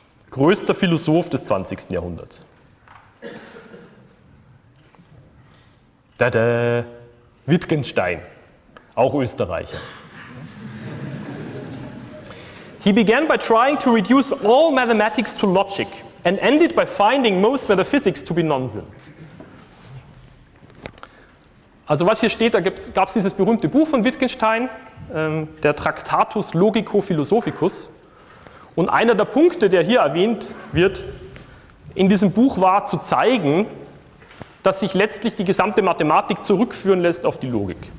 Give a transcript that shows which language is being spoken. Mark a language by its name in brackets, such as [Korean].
[German] Größter Philosoph des 20. Jahrhunderts. Tada! Wittgenstein, auch Österreicher. [English] He began by trying to reduce all mathematics to logic and ended by finding most metaphysics to be nonsense. [German] Also was hier steht, da gab es dieses berühmte Buch von Wittgenstein, der Tractatus Logico-Philosophicus. Und einer der Punkte, der hier erwähnt wird, in diesem Buch war zu zeigen, dass sich letztlich die gesamte Mathematik zurückführen lässt auf die Logik.